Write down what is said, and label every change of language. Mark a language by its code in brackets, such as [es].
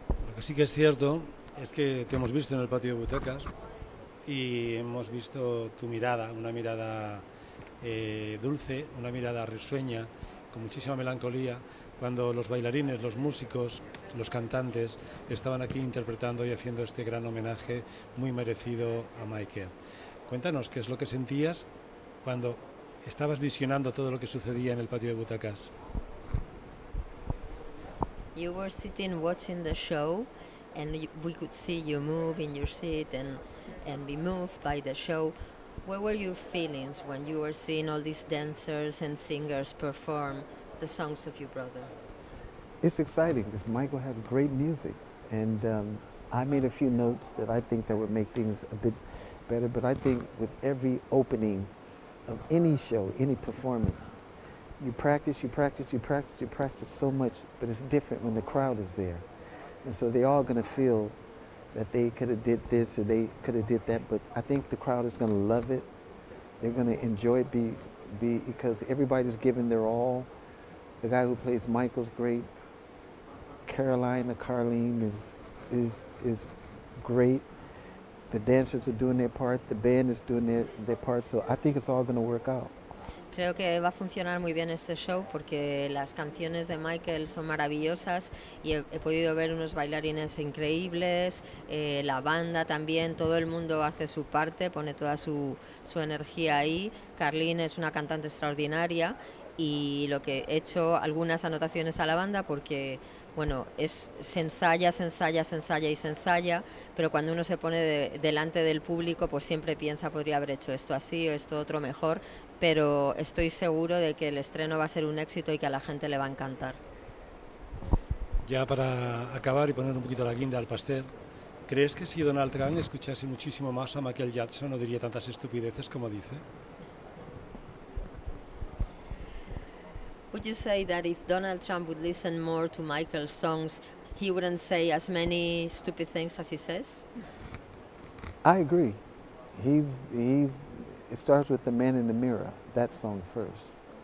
[es] Lo que sí que es cierto es que te hemos visto en el patio de butacas y hemos visto tu mirada, una mirada dulce, una mirada risueña, con muchísima melancolía, cuando los bailarines, los músicos, los cantantes estaban aquí interpretando y haciendo este gran homenaje muy merecido a Michael. Cuéntanos, ¿qué es lo que sentías cuando estabas visionando todo lo que sucedía en el patio de butacas? [en] You were sitting watching the show, and we could see you move in your seat and be moved by the show. What were your feelings when you were seeing all these dancers and singers perform the songs of your brother? It's exciting because Michael has great music, and I made a few notes that I think that would make things a bit better, but I think with every opening of any show, any performance, you practice so much, but it's different when the crowd is there. And so they're all going to feel that they could have did this or they could have did that, but I think the crowd is going to love it. They're going to enjoy it because everybody's given their all. The guy who plays Michael's great. Caroline, Carlene is great. The dancers are doing their part. The band is doing their part. So I think it's all going to work out. [es] creo que va a funcionar muy bien este show porque las canciones de Michael son maravillosas y he podido ver unos bailarines increíbles, la banda también, todo el mundo hace su parte, pone toda su energía ahí. Carlin es una cantante extraordinaria y lo que he hecho algunas anotaciones a la banda porque bueno, se ensaya, pero cuando uno se pone delante del público, pues siempre piensa, podría haber hecho esto así o esto otro mejor, pero estoy seguro de que el estreno va a ser un éxito y que a la gente le va a encantar. Ya para acabar y poner un poquito la guinda al pastel, ¿crees que si Donald Trump escuchase muchísimo más a Michael Jackson no diría tantas estupideces como dice? [en] Would you say that if Donald Trump would listen more to Michael's songs, he wouldn't say as many stupid things as he says? I agree. It starts with The Man in the Mirror, that song first.